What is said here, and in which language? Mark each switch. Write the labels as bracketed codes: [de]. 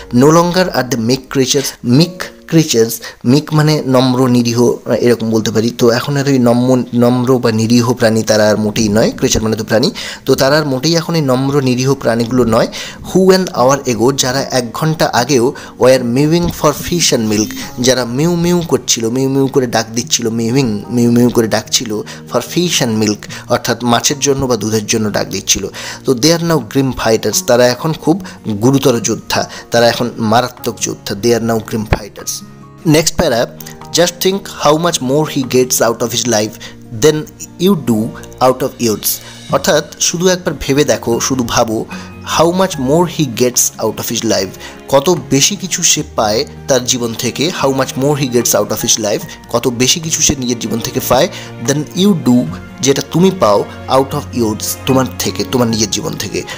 [en] no longer are the meek creatures, [bn] Mick creatures, মিক মানে নম্র নিরীহ এরকম বলতে পারি, তো এখন আর ওই নম্র বা নিরীহ প্রাণী তারা আর মোটেই নয়, ক্রিচার মানে তো প্রাণী, তো তারা আর মোটেই এখন এই নম্র নিরীহ প্রাণীগুলো নয়, [en] who an hour ago, [bn] যারা এক ঘন্টা আগেও, [en] were mewing for fish and milk, [bn] যারা মিউ মিউ করছিল, মিউ মিউ করে ডাক দিচ্ছিল, মিউইং মিউ মিউ করে ডাকছিল [en] for fish and milk, [bn] অর্থাৎ মাছের জন্য বা দুধের জন্য ডাক দিচ্ছিল, তো [en] they are now grim fighters, [bn] তারা এখন খুব গুরুতর যোদ্ধা, তারা এখন মারাত্মক যোদ্ধা, দে আর নাও Grimm fighters. [en] Next para, just think how much more he gets out of his life than you do out of yours. [bn] অর্থাৎ শুধু একবার ভেবে দেখো, শুধু ভাবো, [en] how much more he gets out of his life, [bn] কত বেশি কিছু সে পায় তার জীবন থেকে, how much more he gets out of his life, কত বেশি কিছু সে নিজের জীবন থেকে পায় [en] then you do [bn] যেটা তুমি পাও [en] out of yours, [bn] তোমার থেকে, তোমার নিজের জীবন থেকে।